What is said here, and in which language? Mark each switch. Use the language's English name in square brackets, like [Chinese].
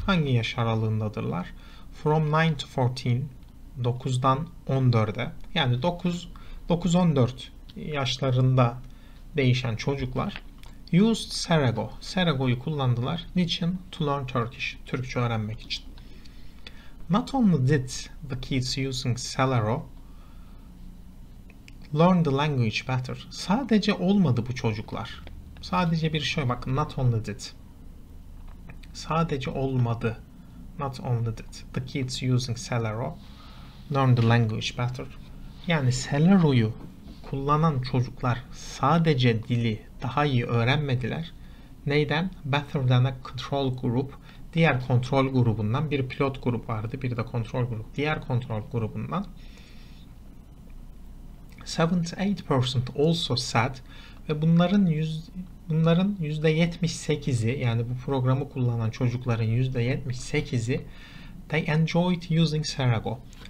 [Turkish] Hangi yaş aralığındadırlar? [English] From 9 to 14, [Turkish] 9'dan 14'e, yani 9-14 yaşlarında değişen çocuklar, [English] used Serego, [Turkish] Serego'yu kullandılar. Niçin? [English] To learn Turkish, [Turkish] Türkçe öğrenmek için. [English] Not only did the kids using Serego learn the language better. [Turkish] Sadece olmadı bu çocuklar. Sadece bir şey, bakın, [English] not only did. [Turkish] Sadece olmadı. [English] Not only did the kids using Serego learn the language better. [Turkish] Yani Serego'yu kullanan çocuklar sadece dili daha iyi öğrenmediler. Neyden? [English] Better than a control group. [Turkish] Diğer kontrol grubundan, bir pilot grup vardı, bir de kontrol grup. Diğer kontrol grubundan [English] 78% also said, [Turkish] ve bunların %78'i, yani bu programı kullanan çocukların %78'i, [English] they enjoyed using Serego.